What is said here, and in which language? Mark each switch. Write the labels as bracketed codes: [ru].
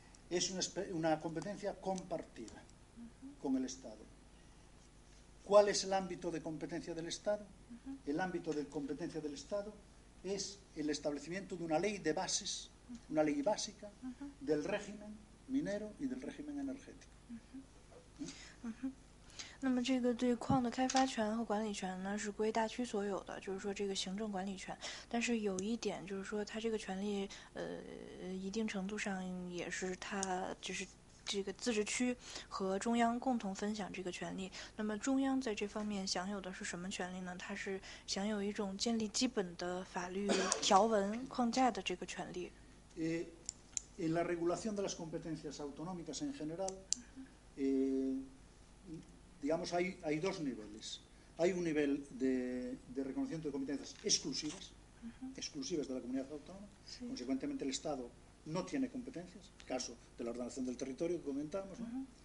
[es] Es una competencia compartida con el Estado. ¿Cuál es el ámbito de competencia del Estado? El ámbito de competencia del Estado es el establecimiento de una ley de bases, una ley básica del régimen minero y del régimen energético. [zh] 那么这个对矿的开发权和管理权呢，是归大区所有的，就是说这个行政管理权。但是有一点，就是说它这个权利，一定程度上也是它就是这个自治区和中央共同分享这个权利。那么中央在这方面享有的是什么权利呢？它是享有一种建立基本的法律条文框架的这个权利。 [es] En la regulación de las competencias autonómicas en general, digamos, hay dos niveles. Hay un nivel de reconocimiento de competencias exclusivas, exclusivas de la comunidad autónoma. Sí. Consecuentemente, el Estado no tiene competencias, caso de la ordenación del territorio que comentábamos, ¿no?